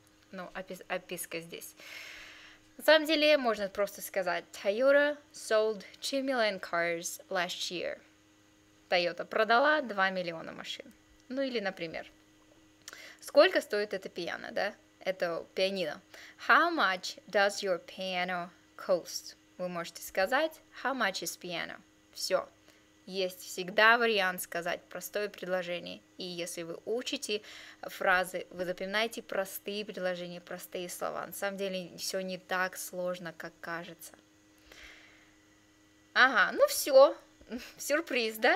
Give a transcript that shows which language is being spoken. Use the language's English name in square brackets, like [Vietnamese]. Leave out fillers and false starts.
[Russian] Ну, описка здесь. На самом деле, можно просто сказать, [English] Toyota sold 2 million cars last year. [Russian] Toyota продала 2 миллиона машин. Ну, или, например, сколько стоит это пиано, да? Это пианино. [English] How much does your piano cost? [Russian] Вы можете сказать, [English] how much is piano? [Russian] Все. Есть всегда вариант сказать простое предложение. И если вы учите фразы, вы запоминаете простые предложения, простые слова. На самом деле, все не так сложно, как кажется. Ага, ну все. Сюрприз, да?